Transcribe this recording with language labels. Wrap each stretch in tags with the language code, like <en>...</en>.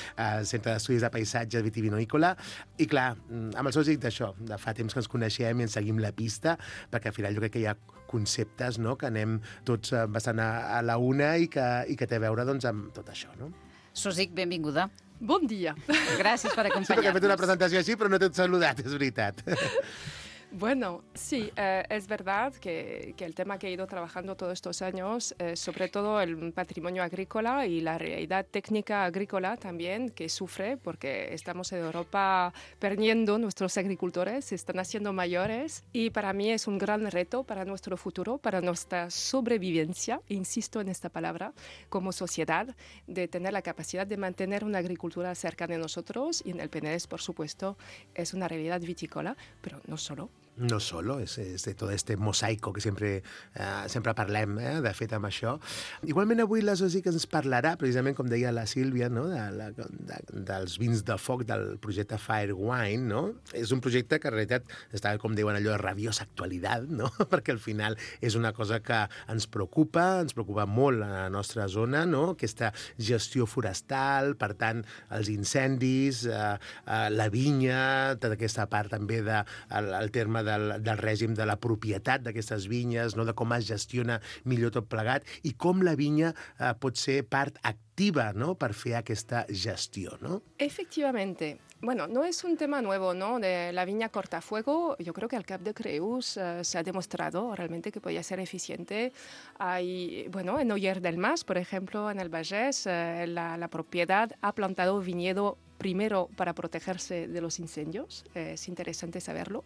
<ca>El Centre d'Estudis de Paisatge Vitivinícola, i clar, amb el seu dic d'això, de fa temps que ens coneixem i ens seguim la pista, perquè al final jo crec que hi ha conceptes, no?, que anem tots bastant a la una i que té a veure, doncs, amb tot això, no? Sàsic, benvinguda. Bon dia. Gràcies per acompanyar-nos. Sí, perquè he fet una presentació així, però no t'he saludat, és veritat.</ca> <es>Bueno, sí, es verdad que el tema que he ido trabajando todos estos años, sobre todo el patrimonio agrícola y la realidad técnica agrícola también, que sufre porque estamos en Europa perdiendo nuestros agricultores, se están haciendo mayores, y para mí es un gran reto para nuestro futuro, para nuestra sobrevivencia, insisto en esta palabra, como sociedad, de tener la capacidad de mantener una agricultura cerca de nosotros, y en el Penedès, por supuesto, es una realidad vitícola, pero no solo. No solo,</es> <ca>és de tot</ca> <es>este mosaico</es> <ca>que sempre parlem, de fet, amb això. Igualment, avui la Sàsic ens parlarà, precisament, com deia la Sílvia, no? dels vins de foc del projecte Fire Wine, no? És un projecte que, en realitat, està, com diuen allò, de rabiosa actualitat, no? Perquè, al final, és una cosa que ens preocupa molt a la nostra zona, no? Aquesta gestió forestal, per tant, els incendis, la vinya, tota aquesta part, també, del terme del règim de la propietat d'aquestes vinyes, no? De com es gestiona millor tot plegat i com la vinya pot ser part activa, no? Per fer aquesta gestió, no?</ca> <es>Efectivamente. Bueno, no es un tema nuevo, ¿no? De la viña cortafuego, yo creo que al Cap de Creus se ha demostrado realmente que podía ser eficiente. Hay, bueno, en Oyer del Mas, por ejemplo, en el Bages, la propiedad ha plantado viñedo primero para protegerse de los incendios, es interesante saberlo.</es>